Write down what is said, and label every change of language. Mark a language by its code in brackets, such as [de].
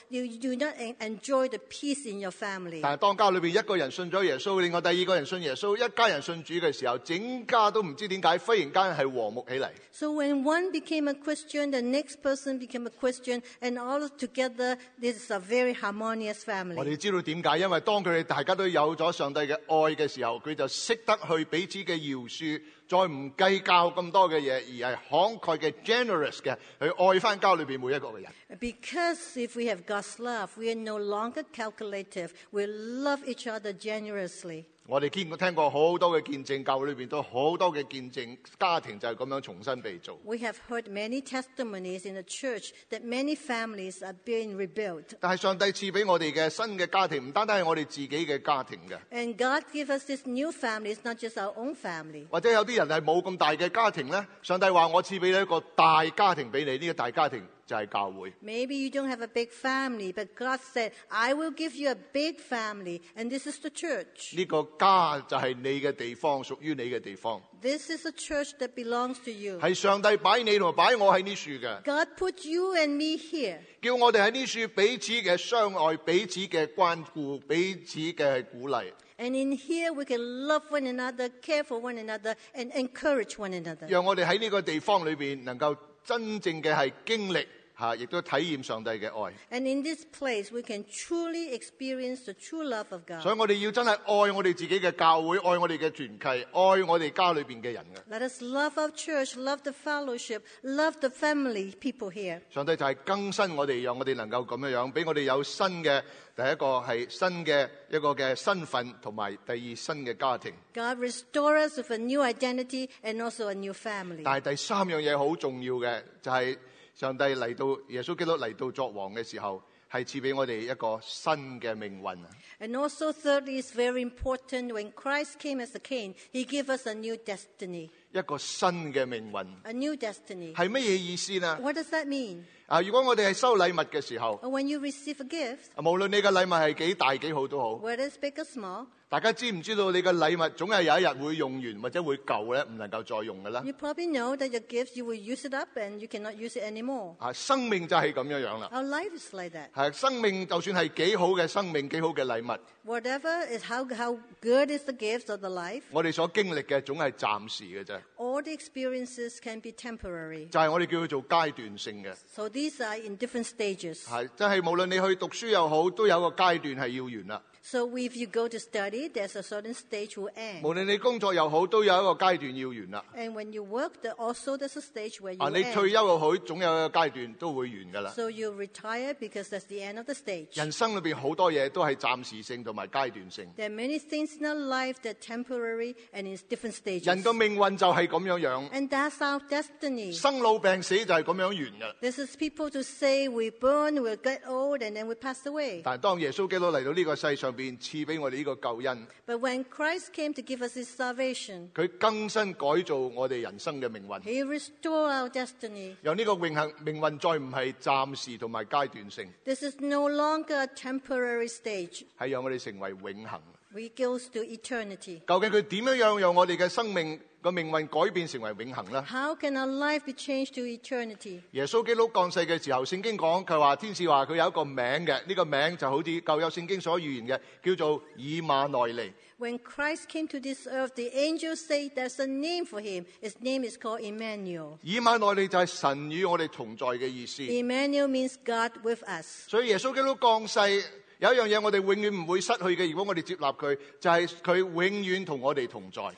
[en] You do not enjoy the peace in your family. [zh] 但系当家里边一个人信咗耶稣，另外第二个人信耶稣，一家人信主嘅时候，整家都唔知点解忽然间系和睦起嚟。 [en] So when one became a Christian, the next person became a Christian, and all together, this is a very harmonious family. [zh] 我哋知道点解，因为当佢哋大家都有咗上帝嘅爱嘅时候，佢就识得去彼此嘅饶恕。再唔计较咁多嘅嘢，而系慷慨嘅 generous 嘅去爱翻家里边每一个嘅人。 [en] Because if we have God's love, we are no longer calculative. We love each other generously. [zh] 我哋听过好多嘅见证，教会里边都好多嘅见证，家庭就系咁样重新被造。 [en] We have heard many testimonies in the church that many families are being rebuilt. [zh] 但系上帝赐俾我哋嘅新嘅家庭，唔单单系我哋自己嘅家庭嘅。 [en] And God gives us this new family, it's not just our own family. [zh] 或者有啲人系冇咁大嘅家庭咧，上帝话我赐俾你一个大家庭俾你，呢个大家庭。就是教会。 [en] Maybe you don't have a big family, but God said, I will give you a big family, and this is the church. [zh] 这个家就是你的地方，属于你的地方。 [en] This is a church that belongs to you. [zh] 是上帝摆你和摆我在这树的。 [en] God put you and me here. [zh] 叫我们在这树彼此的相爱，彼此的关顾，彼此的鼓励。 [en] And in here we can love one another, care for one another, and encourage one another. [zh] 让我们在这个地方里面能够真正的是经历亦都体验上帝的爱。 [en] And in this place, we can truly experience the true love of God. [zh] 所以我们要真的爱我们自己的教会，爱我们的团契，爱我们家里面的人。 [en] Let us love our church, love the fellowship, love the family people here. [zh] 上帝就是更新我们，让我们能够这样，让我们有新的第一个是新的一个的身份，以及第二新的家庭。 [en] God restore us with a new identity and also a new family. [zh] 但是第三样东西很重要的，就是上帝来到耶稣基督来到作王的时候，是赐给我们一个新的命运。 [en] And also thirdly, it's very important when Christ came as a king, he gave us a new destiny. [zh] 一个新的命运。 [en] A new destiny. [zh] 是什么意思呢？ [en] What does that mean? [zh] 如果我们是收礼物的时候 [en] When you receive a gift, [zh] 无论你的礼物是几大几好都好 [en] whether it's big or small, [zh] 大家知不知道你的礼物总是有一天会用完或者会够不能够再用的 [en] You probably know that your gift you will use it up and you cannot use it anymore. [zh] 生命就是这样了 [en] Our life is like that. [zh] 生命就算是几好的生命几好的礼物 [en] Whatever is how good is the gift or the life, [zh] 我们所经历的总是暂时的 [en] All the experiences can be temporary. [zh] 就是我们叫做阶段性的 [en] So these are in different stages. [zh] 真是无论你去读书也好都有个阶段是要完了。 [en] So if you go to study, there's a certain stage will end. [zh] 无论你工作又好，都有一个阶段要完啦。 [en] And when you work, there also there's a stage where you end. [zh] 你退休又好，总有一个阶段都会完噶啦。 [en] So you retire because that's the end of the stage. [zh] 人生里边好多嘢都系暂时性同埋阶段性。 [en] There are many things in our life that are temporary and in different stages. [zh] 人个命运就系咁样样。 [en] And that's our destiny. [zh] 生老病死就系咁样完噶。 [en] This is people to say we burn, we get old, and then we pass away. [zh] 但当耶稣基督嚟到呢个世上。赐俾我哋呢个救恩。 [en] But when Christ came to give us His salvation, [zh] 佢更新改造我哋人生嘅命运。 [en] He restored our destiny. [zh] 让呢个永恒命运再唔系暂时同埋阶段性。 [en] This is no longer a temporary stage. [zh] 系让我哋成为永恒。 [en] We go to eternity. [zh] 究竟佢点样让我哋嘅生命个命运改变成为永恒咧 [en] ？How can our life be changed to eternity？ [zh] 耶稣基督降世嘅时候，圣经讲佢话天使话佢有一个名嘅，这个名就好似旧约圣经所预言嘅，叫做以马内利。 [en] When Christ came to this earth, the angels say there's a name for him. His name is called Emmanuel. [zh] 以马内利就是神与我哋同在嘅意思。 [en] Emmanuel means God with us. [zh] 所以耶稣基督降世。有一样嘢我哋永远唔会失去嘅，如果我哋接纳佢，就系佢永远同我哋同在。